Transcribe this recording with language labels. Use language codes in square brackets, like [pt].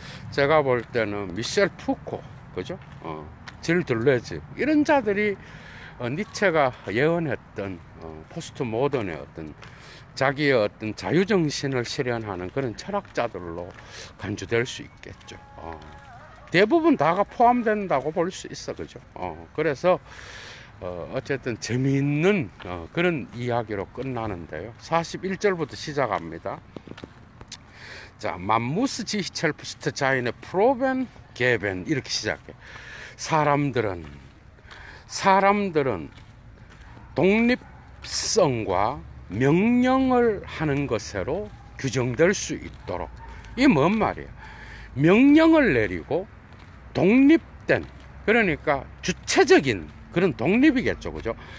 [ko] 제가 볼 때는 미셸 푸코, 그죠? 질 들레즈 이런 자들이 니체가 예언했던 포스트 모던의 어떤 자기의 어떤 자유정신을 실현하는 그런 철학자들로 간주될 수 있겠죠. 대부분 다가 포함된다고 볼 수 있어, 그죠? 그래서 어쨌든 재미있는 그런 이야기로 끝나는데요. 41절부터 시작합니다. [de] 자, man muss sich selbst seine Proben geben [ko] 이렇게 시작해. 사람들은 독립성과 명령을 하는 것으로 규정될 수 있도록. 이게 뭔 말이야? 명령을 내리고 독립된, 그러니까 주체적인 그런 독립이겠죠, 그죠?